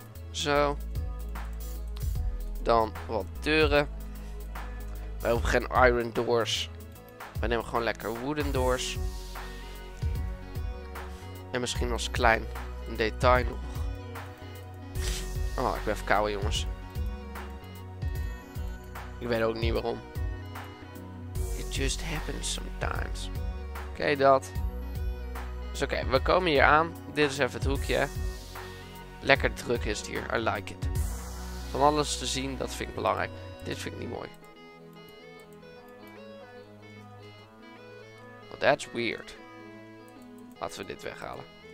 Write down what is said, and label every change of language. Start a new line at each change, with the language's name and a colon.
Dutch: Zo. Dan wat deuren. We hebben geen iron doors. We nemen gewoon lekker wooden doors. En misschien als klein detail nog. Oh, ik ben verkouden, jongens. Ik weet ook niet waarom.
English: It just happens sometimes.
Dutch: Oké, dat. Dus oké, we komen hier aan. Dit is even het hoekje. Lekker druk is het hier.
English: I like it.
Dutch: Van alles te zien, dat vind ik belangrijk. Dit vind ik niet mooi.
English: Well, that's weird.
Dutch: Laten we dit weghalen.